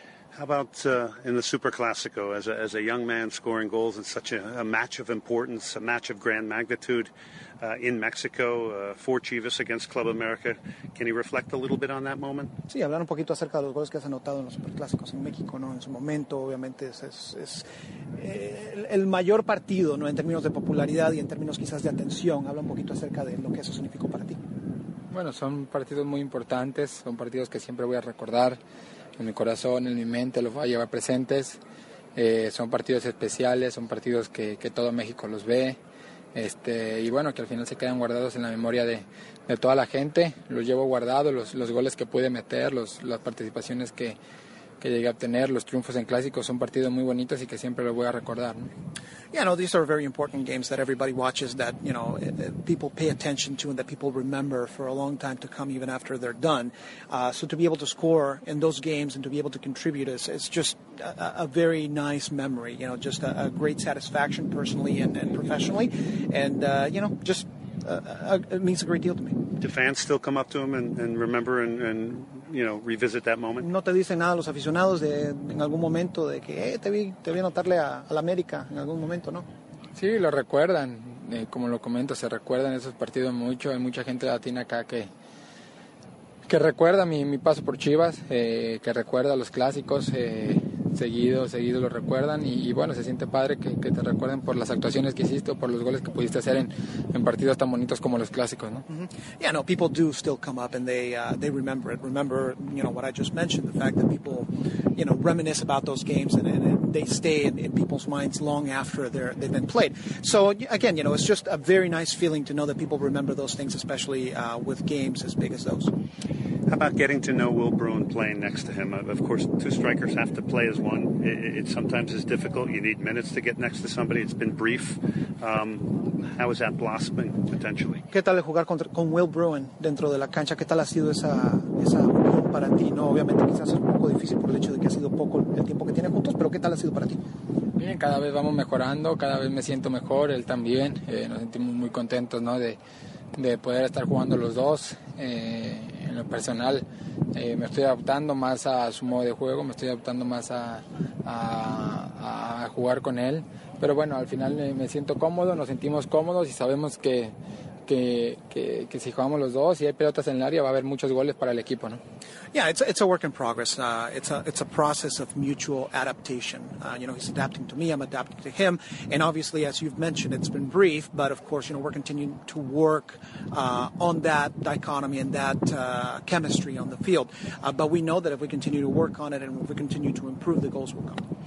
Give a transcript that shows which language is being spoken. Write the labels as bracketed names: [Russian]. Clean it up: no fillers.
[English] How about in the Super Clásico, as a young man scoring goals in such a match of importance, a match of grand magnitude in Mexico for Chivas against Club America? Can you reflect a little bit on that moment? [Spanish] Sí, hablar un poquito acerca de los goles que has anotado en los Super Clásicos en México, ¿no? En su momento, obviamente, es el mayor partido, ¿no? En términos de popularidad y en términos quizás de atención. Habla un poquito acerca de lo que eso significó para ti. Bueno, son partidos muy importantes, son partidos que siempre voy a recordar. En mi corazón, en mi mente, los voy a llevar presentes. Son partidos especiales, son partidos que todo México los ve. Y bueno, que al final se quedan guardados en la memoria de toda la gente. Los llevo guardados, los goles que pude meter, las participaciones que llegué a obtener, los triunfos en clásicos, son partidos muy bonitos y que siempre los voy a recordar, ¿no? [English] Yeah, no, these are very important games that everybody watches, that, you know, people pay attention to and that people remember for a long time to come, even after they're done. So to be able to score in those games and to be able to contribute is just a very nice memory, you know, just a great satisfaction personally and professionally. And, you know, just it means a great deal to me. Do fans still come up to him and remember and you know, revisit that moment? [Spanish] No te dicen nada los aficionados de en algún momento de que te vi anotarle al América en algún momento, ¿no? Sí, lo recuerdan, como lo comento, se recuerdan esos partidos mucho. Hay mucha gente latina acá que recuerda mi paso por Chivas, que recuerda los clásicos, seguido lo recuerdan y bueno, se siente padre que te recuerden por las actuaciones que hiciste o por los goles que pudiste hacer en partidos tan bonitos como los clásicos, ¿no? Mm-hmm. [English] Yeah, no, people do still come up and they remember it. Remember, you know, what I just mentioned, the fact that people, you know, reminisce about those games and they stay in people's minds long after they've been played. So, again, you know, it's just a very nice feeling to know that people remember those things, especially with games as big as those. How about getting to know Will Bruin playing next to him? Of course, two strikers have to play as one. It sometimes is difficult. You need minutes to get next to somebody. It's been brief. How is that blossoming, potentially? [Spanish] ¿Qué tal jugar con Will Bruin dentro de la cancha? ¿Qué tal ha sido esa unión para ti? No, obviamente, quizás es un poco difícil por el hecho de que ha sido poco el tiempo que tienen juntos, pero ¿qué tal ha sido para ti? Bien, cada vez vamos mejorando. Cada vez me siento mejor. Él también. Nos sentimos muy contentos, ¿no? De poder estar jugando los dos. en lo personal me estoy adaptando más a su modo de juego, me estoy adaptando más a jugar con él. Pero bueno, al final me siento cómodo, nos sentimos cómodos y sabemos que si jugamos los dos y hay pelotas en el área va a haber muchos goles para el equipo, ¿no? [English] Yeah, it's a work in progress. It's a process of mutual adaptation. You know, he's adapting to me, I'm adapting to him, and obviously, as you've mentioned, it's been brief, but of course, you know, we're continuing to work on that dichotomy and that chemistry on the field. But we know that if we continue to work on it and if we continue to improve, the goals will come.